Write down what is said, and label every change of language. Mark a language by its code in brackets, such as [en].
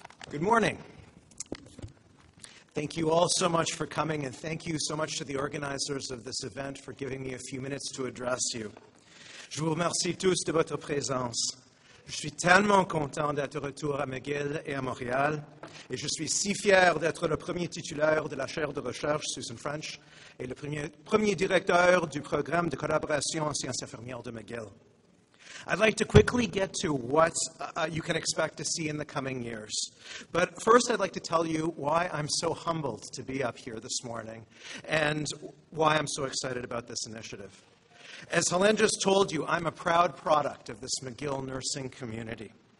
[en] Good morning. Thank you all so much for coming, and thank you so much to the organizers of this event for giving me a few minutes to address you. [fr] Je vous remercie tous de votre présence. Je suis tellement content d'être retour à McGill et à Montréal, et je suis si fier d'être le premier titulaire de la chaire de recherche, Susan French, et le premier directeur du programme de collaboration en sciences infirmières de McGill. [en] I'd like to quickly get to what you can expect to see in the coming years. But first, I'd like to tell you why I'm so humbled to be up here this morning and why I'm so excited about this initiative. As Helen just told you, I'm a proud product of this McGill nursing community.